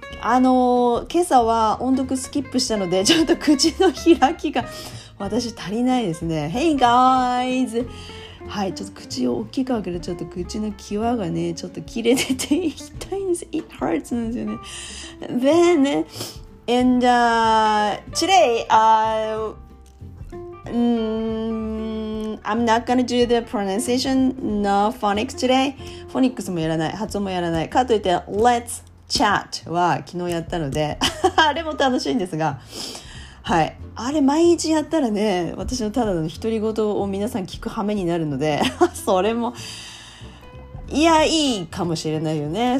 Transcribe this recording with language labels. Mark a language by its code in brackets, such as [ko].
[ja] 今朝は音読スキップしたので、ちょっと口の開きが私足りないですね。 [en] Hey guys! [ja] はい、ちょっと口を大きく開けるとちょっと口の際がねちょっと切れてて痛いんです。 [en] It hurts [ja] なんですよね。 [en] Then and today I'm not gonna do the pronunciation, no phonics today. [ja] フォニックスもやらない、発音もやらないかといって [en] Let's chat [ja] は昨日やったのであれも楽しいんですが、はい、あれ毎日やったらね、私のただの独り言を皆さん聞く羽目になるのでそれもいやいいかもしれないよね。